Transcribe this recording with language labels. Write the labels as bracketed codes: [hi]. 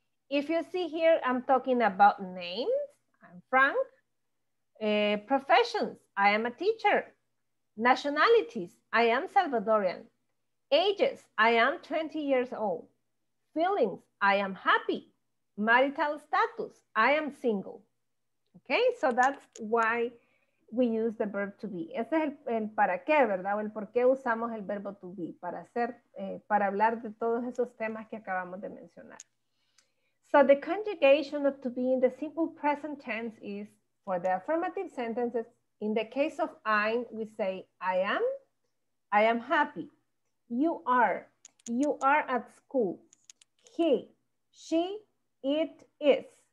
[en] If you see here, I'm talking about names, I'm Frank, professions, I am a teacher, Nationalities, I am Salvadorian. Ages, I am 20 years old. Feelings, I am happy. Marital status, I am single. Okay, so that's why we use the verb to be. [es] Ese es el para qué, ¿verdad? O el por qué usamos el verbo to be, para hacer, para hablar de todos esos temas que acabamos de mencionar. [en] So the conjugation of to be in the simple present tense is for the affirmative sentences. In the case of I'm, we say, I am happy. You are at school. He, she, it is.